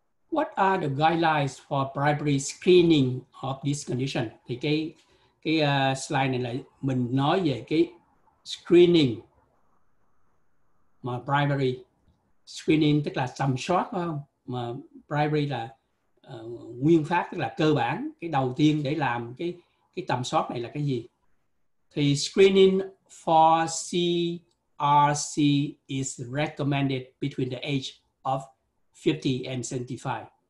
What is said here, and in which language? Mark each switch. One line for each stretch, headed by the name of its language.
English: What are the guidelines for primary screening of this condition?
Vietnamese: Thì cái slide này là mình nói về cái screening, mà primary screening tức là tầm soát, phải không? Mà primary là nguyên phát, tức là cơ bản, cái đầu tiên để làm cái tầm soát này là cái gì?
English: Thì screening for CRC is recommended between the age of 50 and 75.